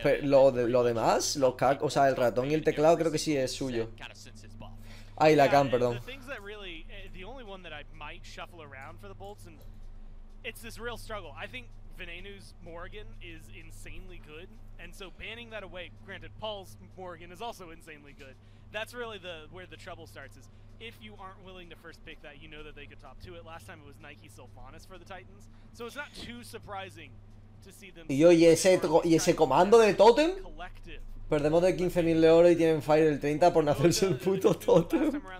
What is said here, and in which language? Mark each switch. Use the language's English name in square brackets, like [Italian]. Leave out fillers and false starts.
[Spanish] Lo demás, los cascos, o sea, el ratón y el teclado creo que sí es suyo. Ah, y la cam, perdón. [English] The only one that I might shuffle around for the Bolts, and it's this real struggle. I think Venenu's Morgan is insanely good, and so banning that away, granted, Paul's Morgan is also insanely good. That's really where the trouble starts is if you aren't willing to first pick that, you know that they could top two it. Last time it was Nike Sylphonus for the Titans. So it's not too surprising to see them. [Spanish] Y ese comando de Totem. Perdemos de 15.000 de oro y tienen Fire el 30 por no hacerse el puto Totem.